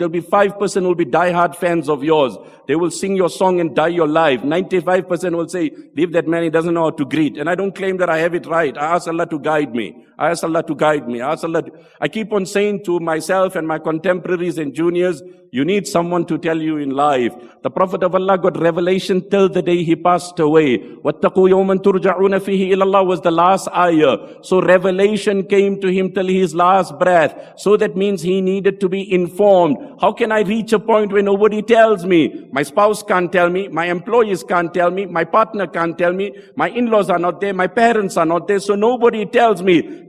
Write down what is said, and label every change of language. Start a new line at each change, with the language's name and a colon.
English: There'll be 5% will be diehard fans of yours. They will sing your song and die your life. 95% will say, leave that man, he doesn't know how to greet. And I don't claim that I have it right. I ask Allah to guide me. I ask Allah to guide me. I keep on saying to myself and my contemporaries and juniors, you need someone to tell you in life. The Prophet of Allah got revelation till the day he passed away.
Arabic: وَاتَّقُوا يَوْمًا تُرْجَعُونَ فِيهِ إِلَى اللَّهِ
English: was the last ayah. So revelation came to him till his last breath. So that means he needed to be informed. How can I reach a point where nobody tells me? My spouse can't tell me. My employees can't tell me. My partner can't tell me. My in-laws are not there. My parents are not there. So nobody tells me.